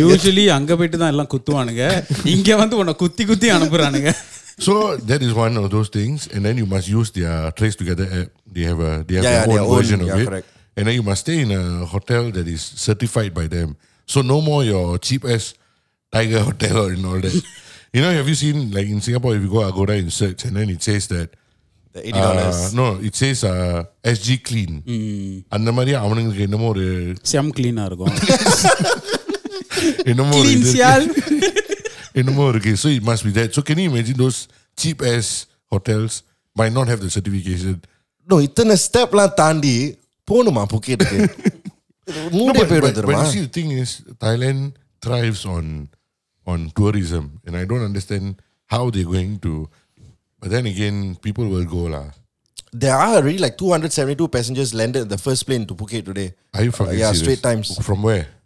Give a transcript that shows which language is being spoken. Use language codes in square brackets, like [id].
[ta] Usually அங்கே போயிட்டு தான் எல்லாம் குத்துவானுங்க, இங்க வந்து உன குத்தி குத்தி அனுப்புறானுங்க. [en] So that is one of those things, and then you must use their Trace Together app. They have their own version of it. And then you must stay in a hotel that is certified by them. So no more your cheap ass Tiger Hotel and all that. You know, have you seen like in Singapore, if you go Agoda and search, and then it says that the $80. It says SG Clean. [ta] அந்த மாதிரி அவனுக்கு என்னமோ ஒரு some கிளீனா இருக்கும் என்னமோ ஒரு என்னமோ இருக்கு. [en] So it must be that. So can you imagine those cheap ass hotels might not have the certification? [ta] No, இத்தனை ஸ்டெப் எல்லாம் தாண்டி போகணுமா புக்கெட்டுக்கு மூணு பேர் வந்துருமா? [en] But you see, the thing is, Thailand thrives on tourism, and I don't understand how they're going to, but then again, people will go lah. There are already like 272 passengers landed the first plane to Phuket today. Are you fucking serious? Yeah, straight times. From where?